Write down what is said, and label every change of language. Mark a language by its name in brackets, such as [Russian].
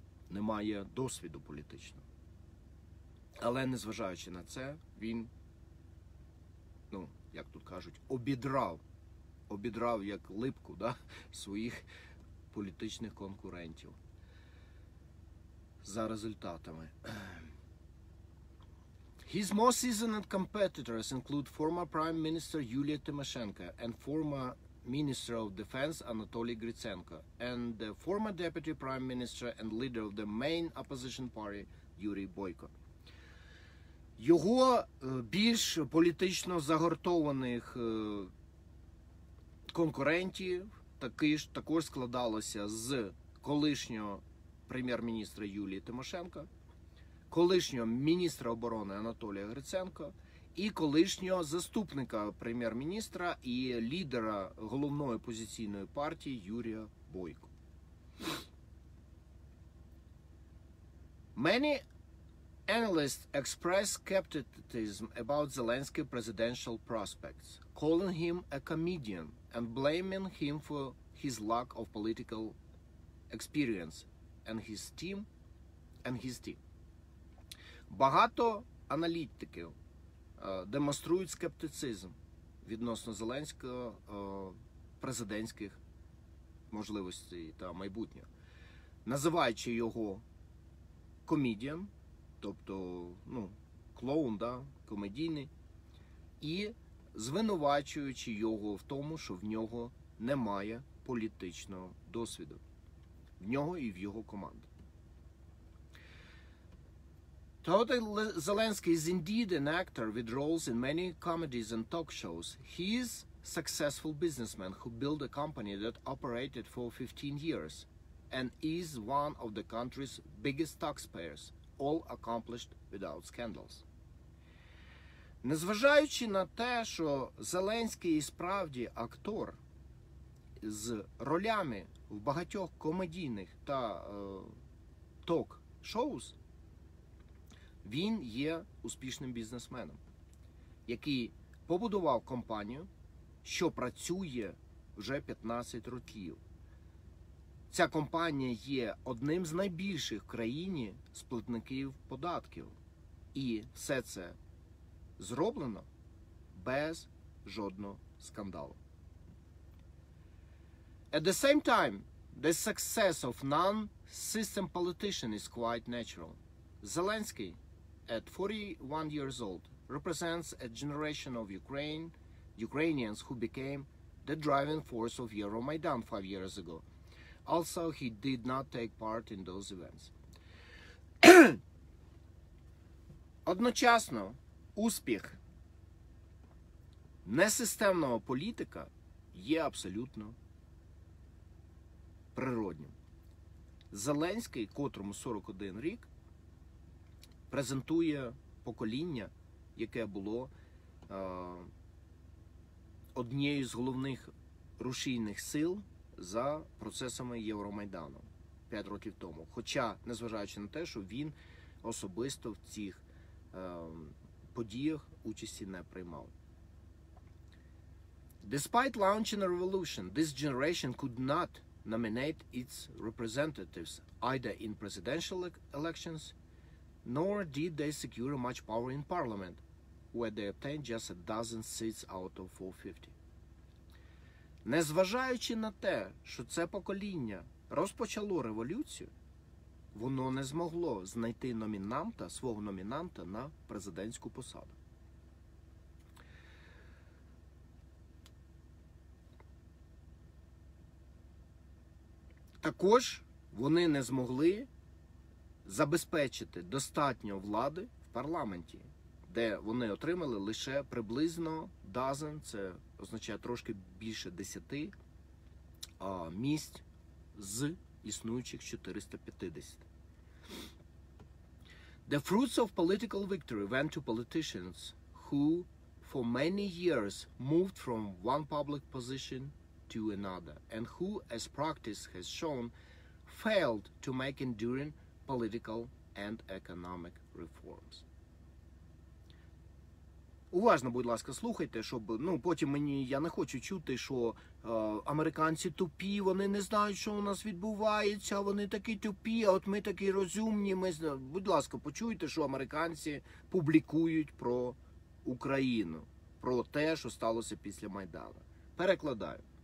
[Ukrainian] Немає досвіду політичного. Але, незважаючи на це, він, як тут кажуть, обідрав як липку, да, своїх політичних конкурентів за результатами. [English] His most seasoned competitors include former Prime Minister Юлія Тимошенко and former Minister of Defense Anatoly Gritsenko and the former Deputy Prime Minister and leader of the main opposition party Юрій Бойко. [Ukrainian] Його більш політично загортованих конкурентів також складалося з колишнього прем'єр-міністра Юлії Тимошенко, колишнього міністра оборони Анатолія Гриценка і колишнього заступника прем'єр-міністра і лідера головної опозиційної партії Юрія Бойко. [English] Many analysts express skepticism about Zelensky's presidential prospects, calling him a comedian and blaming him for his lack of political experience and his team. [Ukrainian] Багато аналітиків демонструють скептицизм відносно Зеленського президентських можливостей та майбутнього, називаючи його comedian, тобто, клоун, да, комедійний, і звинувачуючи його в тому, що в нього немає політичного досвіду. В нього і в його команди. [English] Though Zelensky is indeed an actor with roles in many comedies and talk shows, he is a successful businessman who built a company that operated for 15 years and is one of the country's biggest taxpayers. All accomplished without scandals. [Ukrainian] Незважаючи на те, що Зеленський справді актор, з ролями в багатьох комедійних та ток-шоу, він є успішним бізнесменом, який побудував компанію, що працює вже 15 років. Ця компанія є одним з найбільших в країні сплатників податків. І все це зроблено без жодного скандалу. [English] At the same time, the success of non-system politician is quite natural. Zelensky, at 41 years old, represents a generation of Ukrainians who became the driving force of Euromaidan 5 years ago. Also, he did not take part in those events. [Ukrainian] Одночасно, успіх несистемного політика є абсолютно природнім. Зеленський, котрому 41 рік, презентує покоління, яке було однією з головних рушійних сил за процесами Євромайдану 5 років тому. Хоча, незважаючи на те, що він особисто в цих подіях участі не приймав. [English] Despite launching a revolution, this generation could not nominate its representatives either in presidential elections, nor did they secure much power in parliament, where they obtained just a dozen seats out of 450. [Ukrainian] Незважаючи на те, що це покоління розпочало революцію, воно не змогло знайти номінанта, свого номінанта на президентську посаду. Також вони не змогли забезпечити достатньо влади в парламенті, де вони отримали лише приблизно дазен, це означає трошки більше 10 місць з існуючих 450. [English] The fruits of political victory went to politicians who for many years moved from one public position to another and who, as practice has shown, failed to make enduring political and economic reforms. [Ukrainian] Уважно, будь ласка, слухайте, щоб, ну, потім мені, я не хочу чути, що американці тупі, вони не знають, що у нас відбувається, вони такі тупі, а от ми такі розумні, ми, будь ласка, почуйте, що американці публікують про Україну, про те, що сталося після Майдану. Перекладаю.